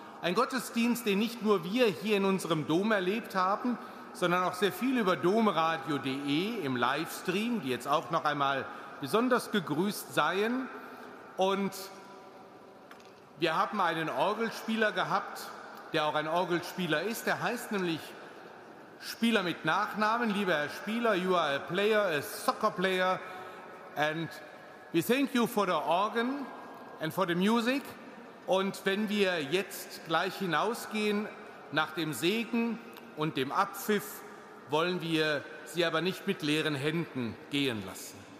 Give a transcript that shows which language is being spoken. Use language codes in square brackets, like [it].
[de] Ein Gottesdienst, den nicht nur wir hier in unserem Dom erlebt haben, sondern auch sehr viel über domradio.de im Livestream, die jetzt auch noch einmal besonders gegrüßt seien. Und wir haben einen Orgelspieler gehabt, der auch ein Orgelspieler ist. Der heißt nämlich Spieler mit Nachnamen. Lieber Herr Spieler, [en] you are a player, a soccer player. And we thank you for the organ and for the music. [de] Und wenn wir jetzt gleich hinausgehen nach dem Segen und dem Abpfiff, wollen wir Sie aber nicht mit leeren Händen gehen lassen.